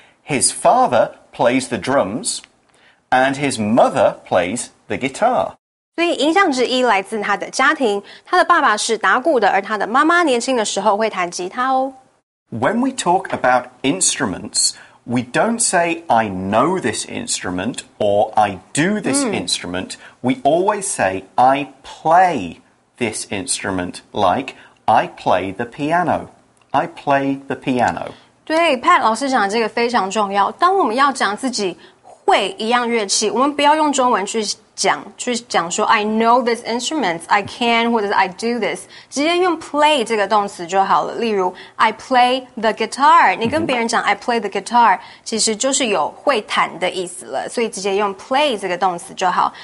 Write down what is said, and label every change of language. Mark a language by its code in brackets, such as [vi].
[en] His father plays the drums, and his mother plays the guitar. [zh] 所以影响之一来自他的家庭，他的爸爸是打鼓的，而他的妈妈年轻的时候会弹吉他哦。 [en] When we talk about instruments, We don't say, I know this instrument, or I do this instrument. We always say, I play this instrument, like, I play the piano. I play the piano. [zh] 对 ,Pat 老师讲的这个非常重要。当我们要讲自己会一样乐器，我们不要用中文去讲说 [en] I know this instrument, I can, [zh] 或者是 [en] I do this, [zh] 直接用 play 这个动词就好了。例如 [en] I play the guitar, [zh] 你跟别人讲 I play the guitar, 其实就是有会弹的意思了，所以直接用 play 这个动词就好。